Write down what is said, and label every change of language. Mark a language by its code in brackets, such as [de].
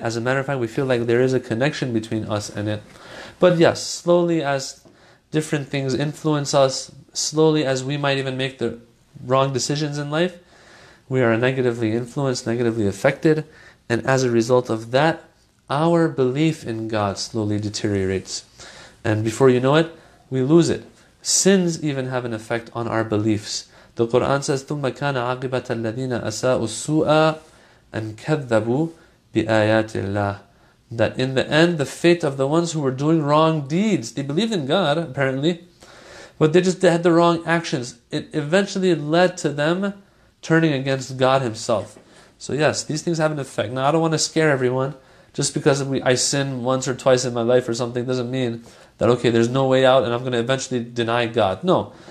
[en] As a matter of fact, we feel like there is a connection between us and it. But yes, slowly as different things influence us, slowly as we might even make the wrong decisions in life, we are negatively influenced, negatively affected, and as a result of that, our belief in God slowly deteriorates. And before you know it, we lose it. Sins even have an effect on our beliefs. The Quran says, [ar] ثُمَّ كَانَ عَقِبَةَ الَّذِينَ أَسَاءُ السُّوءَ أَنْ كَذَّبُوا بِآيَاتِ اللَّهِ. [en] That in the end, the fate of the ones who were doing wrong deeds, they believed in God, apparently, but they just had the wrong actions. It eventually led to them turning against God Himself. So yes, these things have an effect. Now, I don't want to scare everyone. Just because I sin once or twice in my life or something doesn't mean that, okay, there's no way out and I'm going to eventually deny God. No.